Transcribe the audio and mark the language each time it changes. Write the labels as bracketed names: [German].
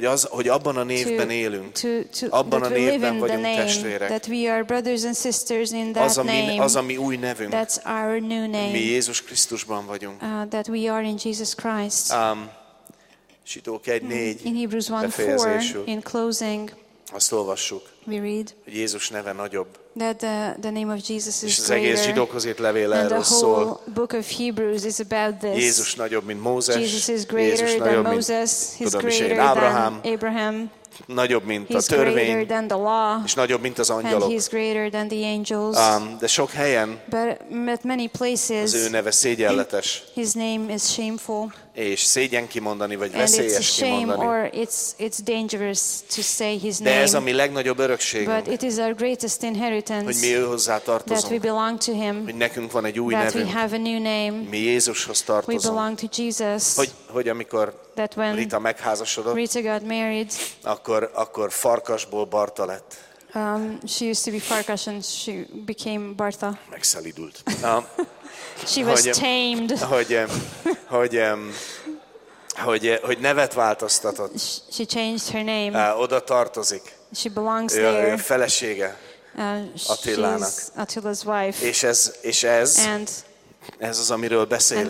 [Hungarian] Hogy abban a névben élünk, abban a névben vagyunk [English] name, [Hungarian] testvérek. [English] That we are brothers and sisters in that [Hungarian] az, ami, [English] name, [Hungarian] az a mi új nevünk. [English] That's our new name. [Hungarian] Mi Jézus Krisztusban vagyunk. [English] That we are in Jesus Christ. [Hungarian] Sítók 1:4 [English] in Hebrews 1:4 in closing. [Hungarian] Azt olvassuk. [English] We read. [Hungarian] Hogy Jézus neve nagyobb. [English] That the name of Jesus is greater. [Hungarian] És az egész zsidókhoz írt levél erről szól. [English] The whole book of Hebrews is about this. [Hungarian] Jézus nagyobb, mint Mózes. [English] Jesus is greater than Moses. He's greater than Abraham. [Hungarian] Nagyobb, mint [English] he's [Hungarian] a törvény, [English] greater than the law, [Hungarian] és nagyobb, mint az angyalok. [English] And he's greater than the angels. [Hungarian] De sok helyen [English] but many places, [Hungarian] az ő neve szégyenletes. [English] His name is shameful. [Hungarian] És szégyen kimondani, vagy veszélyes kimondani. [English] Or it's dangerous to say his [Hungarian] name. De ez a mi legnagyobb örökségünk. [English] But it is our greatest inheritance, [Hungarian] hogy mi őhozzá tartozunk. [English] That we belong to him, [Hungarian] hogy nekünk van egy új [English] that [Hungarian] nevünk. [English] We have a new name, [Hungarian] mi Jézushoz tartozunk. [English] We belong to Jesus, [Hungarian] hogy amikor [English] that when [Hungarian] Rita megházasodott, [English] Rita got married, [Hungarian] akkor farkasból Barta lett. [English] She used to be Farkas and she became Bartha. [Hungarian] Megszelidult. [English] She was tamed. [Hungarian] Hogy nevet változtatott. [English] She changed her name. [Hungarian] Oda tartozik. [English] She belongs there. [Hungarian] Ő felesége Attilának. [English] Attila's wife. [Hungarian] Ez az, amiről beszélünk.